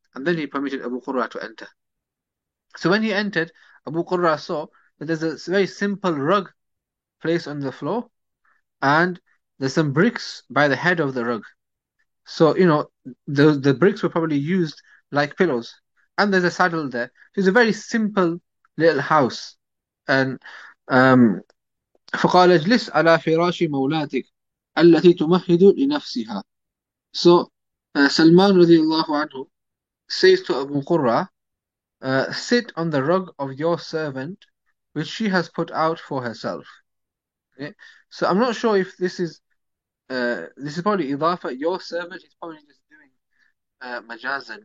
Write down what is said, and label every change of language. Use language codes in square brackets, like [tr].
[en] And then he permitted Abu Qurra to enter. So when he entered, Abu Qurra saw that there's a very simple rug placed on the floor, and There's some bricks by the head of the rug. So, you know, the bricks were probably used like pillows. And there's a saddle there. It's a very simple little house. [ar] And فقال اجلس على فراش مولاتك التي تمهد لنفسها. [en] So Salman رضي الله عنه says to Abu Qurra, sit on the rug of your servant, which she has put out for herself. Okay? So I'm not sure if this is probably idafa. Your servant is probably just doing majazan.